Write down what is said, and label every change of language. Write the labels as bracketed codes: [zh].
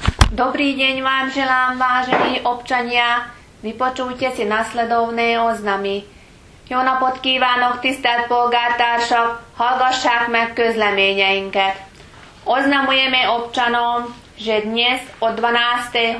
[sk] Dobrý deň vám želám, vážení občania. Vypočujte si nasledovné oznamy. [hu] Jónapot kívánok, tisztelt polgártársak, hallgassák meg közleményeinket. [sk] Oznamujeme občanom, že dnes o 12.